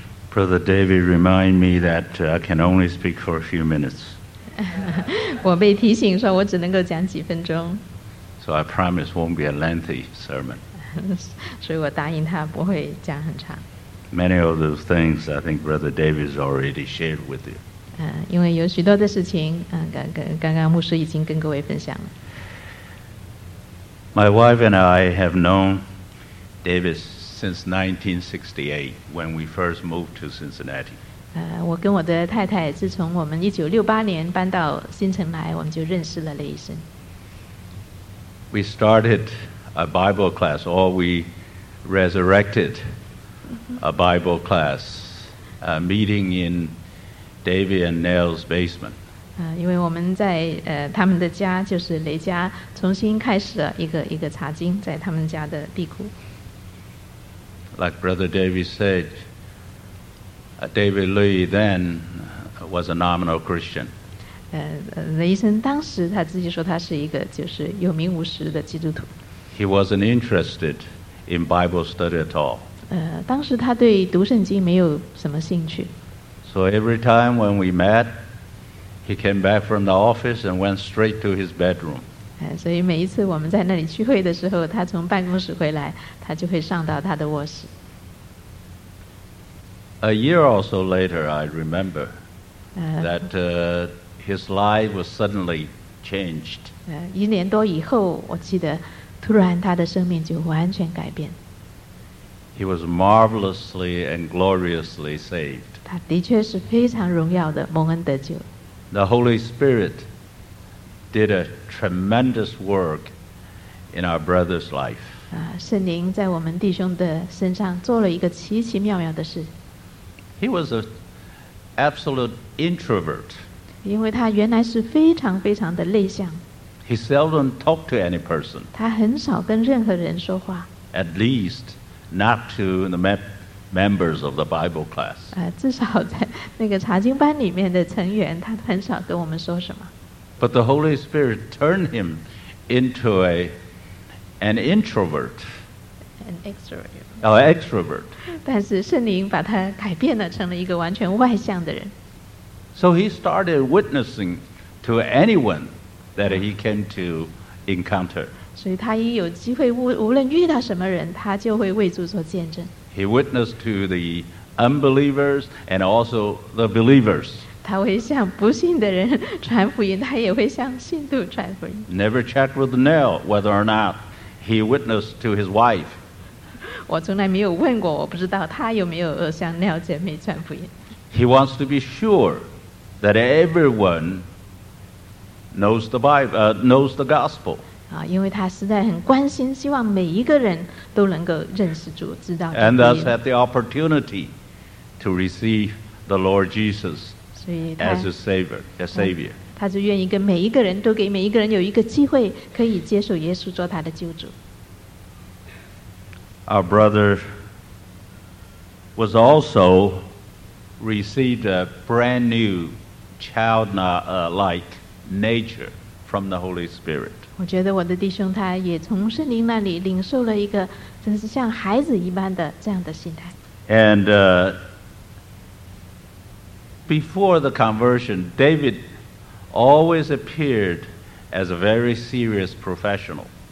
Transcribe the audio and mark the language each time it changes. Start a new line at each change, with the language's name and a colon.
English: Brother David, remind me that I can only speak for a few minutes.
Chinese: 我被提醒说我只能够讲几分钟。
English: So I promise won't be a lengthy sermon.
Chinese: 所以我答应他不会讲很长。
English: Many of those things I think Brother David has already shared with you.
Chinese: 因为有许多的事情刚刚牧师已经跟各位分享了。
English: My wife and I have known David since 1968 when we first moved to Cincinnati.
Chinese: 我跟我的太太自从我们1968年搬到新城来我们就认识了雷医生。
English: We started a Bible class, or we resurrected a Bible class, a meeting in David and Nell's basement.
Chinese: 因为我们在他们的家就是雷家重新开始了一个查经在他们家的地库。
English: Like Brother David said, David Lee then was a nominal Christian.
Chinese: 雷医生当时他自己说他是一个就是有名无实的基督徒。
English: He wasn't interested in Bible study at all.
Chinese: 当时他对读圣经没有什么兴趣。
English: So every time when we met,He came back from the office and went straight to his bedroom.
Chinese: 所以每一次我们在那里聚会的时候，他从办公室回来，他就会上到他的卧室。
English: A year or so later, I remember that his life was suddenly changed.
Chinese: 一年多以后，我记得突然他的生命就完全改变。
English: He was marvelously and gloriously saved.
Chinese: 他的确是非常荣耀的蒙恩得救。
English: The Holy Spirit did a tremendous work in our brother's life.
Chinese: 圣灵在我们弟兄的身上做了一个奇奇妙妙的事。
English: He was an absolute introvert.
Chinese: 因为他原来是非常非常的内向。
English: He seldom talked to any person.
Chinese: 他很少跟任何人说话。
English: At least not to the members of the Bible class.
Chinese: 至少在那个查经班里面的成员，他很少跟我们说什么。
English: But the Holy Spirit turned him into an introvert. An extrovert. Extrovert.
Chinese: 但是圣灵把他改变了，成了一个完全外向的人。
English: So he started witnessing to anyone that he came to encounter.
Chinese: 所以他一有机会，无论遇到什么人，他就会为主做见证。
English: He witnessed to the unbelievers and also the believers.
Chinese: 他会向不信的人传福音，他也会向信徒传福音。
English: Never checked with Nell whether or not he witnessed to his wife.
Chinese: 我从来没有问过，我不知道他有没有向 Nell 姐妹传福音。
English: He wants to be sure that everyone knows the Bible, knows the gospel.
Chinese: 因为他实在很关心，希望每一个人都能够认识主，知道主。
English: And thus had the opportunity to receive the Lord Jesus as a savior.
Chinese: 他就愿意跟每一个人都给每一个人有一个机会可以接受耶稣做他的救主。
English: Our brother was also received a brand new childlike nature from the Holy Spirit.
Chinese: 我觉得我的弟兄他也从圣灵那里领受了一个真是像孩子一般的这样的心态。
English: AndBefore the conversion, David always appeared as a very serious professional.